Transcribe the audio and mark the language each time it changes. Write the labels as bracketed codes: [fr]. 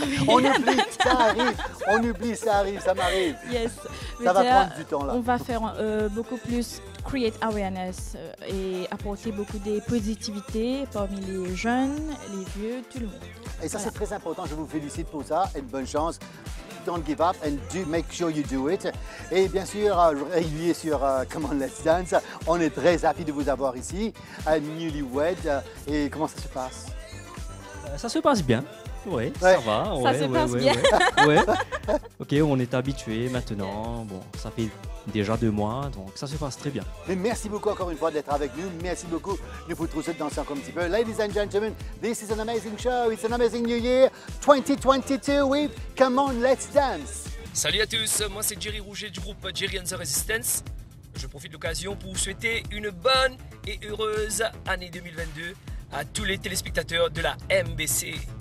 [fr] On oublie, ça arrive. On oublie, ça arrive, ça m'arrive. [en] Yes. [fr] Ça va prendre du temps, là. On va faire beaucoup plus [en] create awareness [fr] et apporter beaucoup de positivité parmi les jeunes, les vieux, tout le monde. Et ça, c'est très important. Je vous félicite pour ça et bonne chance. [en] Don't give up and do make sure you do it. [fr] Et bien sûr, régulier sur Come On Let's Dance. On est très happy de vous avoir ici, newlywed. Et comment ça se passe? Ça se passe bien. Oui, ouais. Ça va. Ouais, ça se passe bien. Ouais. Ok, on est habitué maintenant. Bon, ça fait déjà 2 mois, donc ça se passe très bien. Et merci beaucoup encore une fois d'être avec nous. Merci beaucoup de vous trouver dans un petit peu. [en] Ladies and gentlemen, this is an amazing show. It's an amazing new year 2022 with Come On Let's Dance. [fr] Salut à tous, moi c'est Jerry Rouget du groupe Jerry and the Resistance. Je profite de l'occasion pour vous souhaiter une bonne et heureuse année 2022 à tous les téléspectateurs de la MBC.